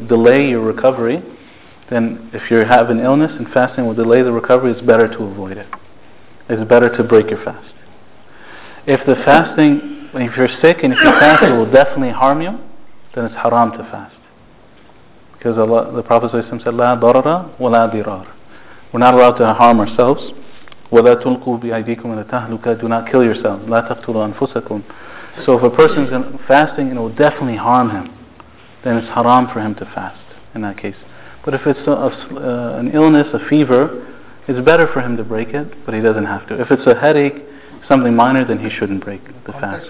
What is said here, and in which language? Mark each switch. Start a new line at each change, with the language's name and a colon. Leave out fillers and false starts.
English: delay your recovery, then if you have an illness and fasting will delay the recovery, it's better to avoid it. It's better to break your fast. If you're sick and if you fast, it will definitely harm you, then it's haram to fast. Because Allah, the Prophet ﷺ said,
Arabic: لا ضرر ولا ضرار.
English: We're not allowed to harm ourselves.
Arabic: ولا تلقوا بأيديكم إلى تهلكة.
English: Do not kill yourself.
Arabic: لا تقتلوا أنفسكم.
English: So if a person is fasting and it will definitely harm him, then it's haram for him to fast in that case. But if it's an illness, a fever, it's better for him to break it, but he doesn't have to. If it's a headache, something minor, then he shouldn't break the fast.